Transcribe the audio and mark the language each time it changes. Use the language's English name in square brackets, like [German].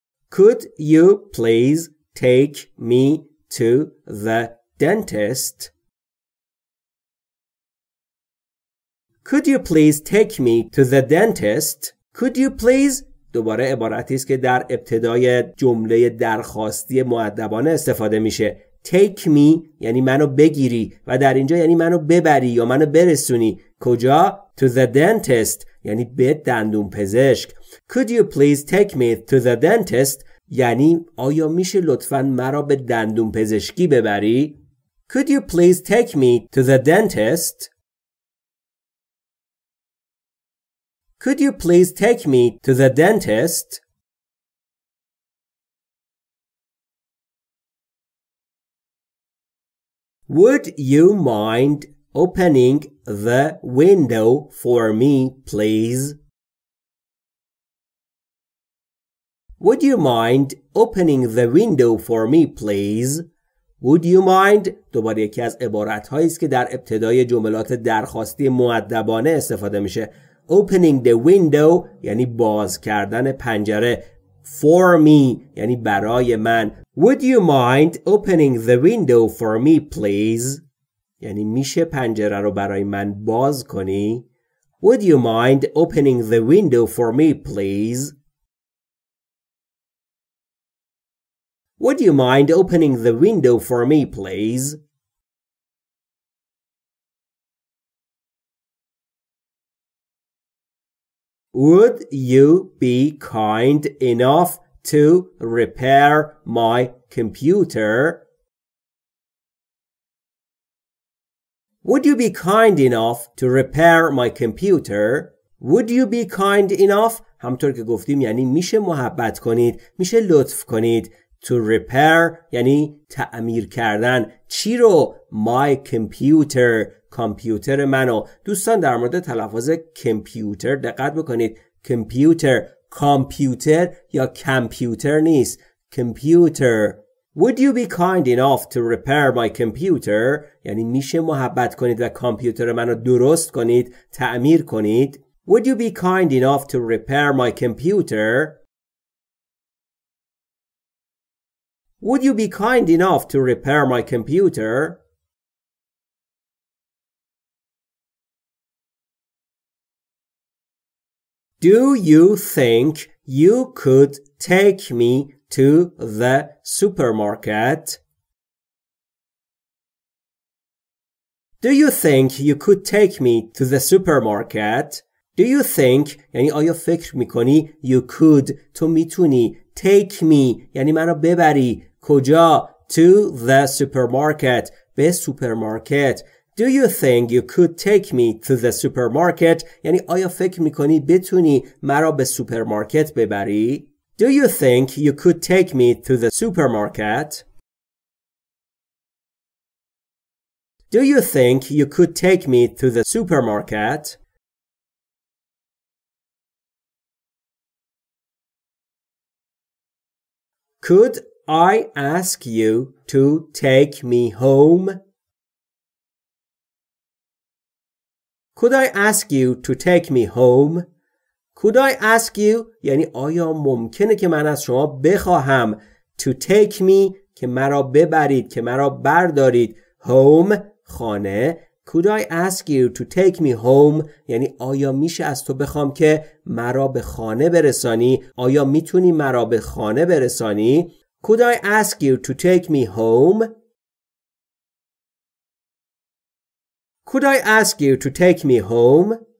[English] Could you please take me to the dentist? Could you please take me to the dentist? Could you please? [Persian] دوباره عبارتی است که در ابتدای جمله درخواستی مؤدبانه استفاده میشه. [English] Take me [Persian] یعنی منو بگیری و در اینجا یعنی منو ببری یا منو برسونی. کجا؟ [English] To the dentist [Persian] یعنی به دندون پزشک. [English] Could you please take me to the dentist؟ [Persian] یعنی آیا میشه لطفاً مرا به دندون پزشکی ببری؟ [English] Could you please take me to the dentist؟ Could you please take me to the dentist? Would you mind opening the window for me, please? Would you mind opening the window for me, please? Would you mind؟ [Persian] دوباره یکی از عبارتهایی است که در ابتدای جملات درخواستی مؤدبانه استفاده میشه. [English] Opening the window [Persian] یعنی باز کردن پنجره. [English] For me [Persian] یعنی برای من. [English] Would you mind opening the window for me, please? [Persian] یعنی میشه پنجره رو برای من باز کنی؟ [English] Would you mind opening the window for me, please? Would you mind opening the window for me, please? Would you be kind enough to repair my computer? Would you be kind enough to repair my computer? Would you be kind enough? [Persian] همطور که گفتیم یعنی میشه محبت کنید، میشه لطف کنید. [English] To repair [Persian] یعنی تعمیر کردن. چی رو؟ [English] My computer، [Persian] کامپیوتر منو. دوستان در مورد تلفظ کامپیوتر دقت بکنید. کامپیوتر، کامپیوتر یا کامپیوتر نیست، کامپیوتر. [English] Would you be kind enough to repair my computer؟ [Persian] یعنی میشه محبت کنید و کامپیوتر منو درست کنید، تعمیر کنید. [English] Would you be kind enough to repair my computer؟ Would you be kind enough to repair my computer? Do you think you could take me to the supermarket? Do you think you could take me to the supermarket? Do you think, [Persian] یعنی آیا فکر میکنی, [English] you could, [Persian] تو میتونی, [English] take me, [Persian] یعنی منو ببری, کجا, [English] to the supermarket, [Persian] به سوپرمارکت. [English] Do you think you could take me to the supermarket, [Persian] یعنی آیا فکر میکنی بتونی مرا به سوپرمارکت ببری؟ [English] Do you think you could take me to the supermarket? Do you think you could take me to the supermarket? Could I ask you to take me home? Could I ask you to take me home? Could I ask you [Persian] یعنی آیا ممکنه که من از شما بخواهم [English] to take me [Persian] که مرا ببرید که مرا بردارید [English] home [Persian] خانه. [English] Could I ask you to take me home [Persian] یعنی آیا میشه از تو بخوام که مرا به خانه برسانی؟ آیا میتونی مرا به خانه برسانی؟ [English] Could I ask you to take me home? Could I ask you to take me home?